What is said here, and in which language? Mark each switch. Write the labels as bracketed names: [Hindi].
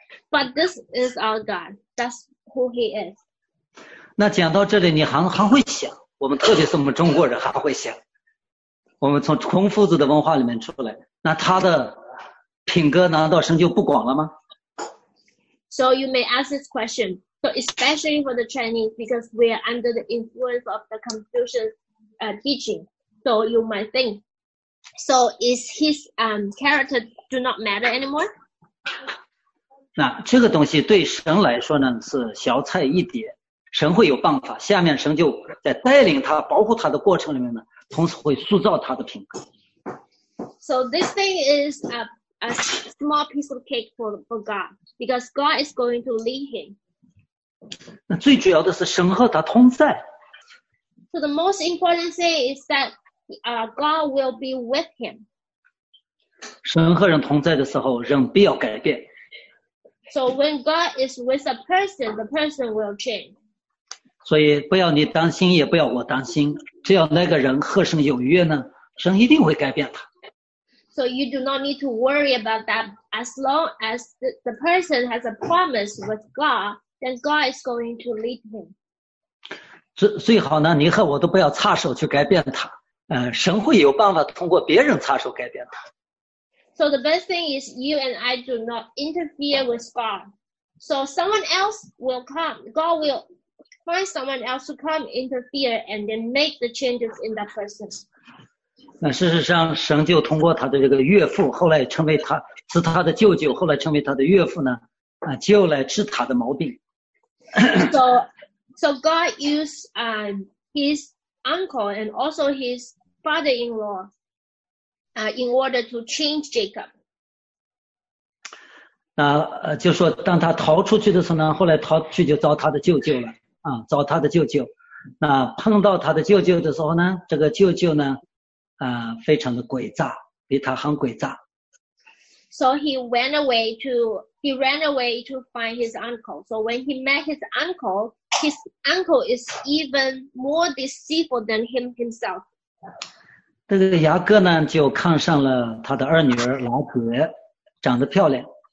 [English] But this is our God. That's who he is. [Chinese] 那讲到这里你还会想，我们特别是我们中国人还会想，我们从孔夫子的文化里面出来，那他的品格难道神就不管了吗？ [English] So you may ask this question. So especially for the Chinese, because we are under the influence of the Confucian teaching. So you might think, so is his character do not matter anymore? [Chinese] 那这个东西对神来说呢是小菜一碟，神会有办法，下面神就在带领他保护他的过程里面呢，同时会塑造他的品格。 [English] So this thing is a small piece of cake for God, because God is going to lead him. [Chinese] 那最主要的是神和他同在。 [English] So the most important thing is that God will be with him. [Chinese] 神和人同在的时候，人必要改变。 [English] So when God is with a person, the person will change. [Chinese] 所以不要你担心，也不要我担心，只要那个人和神有约呢，神一定会改变他。 [English] So you do not need to worry about that. As long as the person has a promise with God, then God is going to lead him. [Chinese] 最好呢，你和我都不要插手去改变他。神会有办法通过别人插手改变他。 [English] So the best thing is you and I do not interfere with God. So someone else will come. God will find someone else to come interfere and then make the changes in that person. [Chinese] 那事实上神就通过他的这个岳父，后来成为他，是他的舅舅，后来成为他的岳父呢，就来治他的毛病。 [English] So God used his uncle and also his father-in-law in order to change Jacob. [Chinese] 那就说当他逃出去的时候呢，后来逃去就找他的舅舅了啊，找他的舅舅。那碰到他的舅舅的时候呢，这个舅舅呢，非常的诡诈，比他很诡诈。 [English] So he ran away to find his uncle. So when he met his uncle is even more deceitful than him himself. [Chinese] 这个雅各呢，就看上了他的二女儿拉结，长得漂亮。